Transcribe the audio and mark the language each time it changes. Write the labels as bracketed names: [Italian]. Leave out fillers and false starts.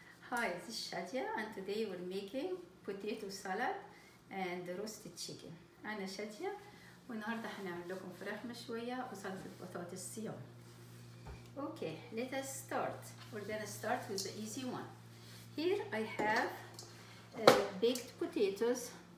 [English] Hi, this is Shadia, and today we're making potato salad and roasted chicken. [Arabic] أنا شادية والنهاردة هنعمل لكم فراح مشوية وسلطة بطاطس صيام. [English] Okay, let us start. We're gonna start with the easy one. Here I have baked potatoes.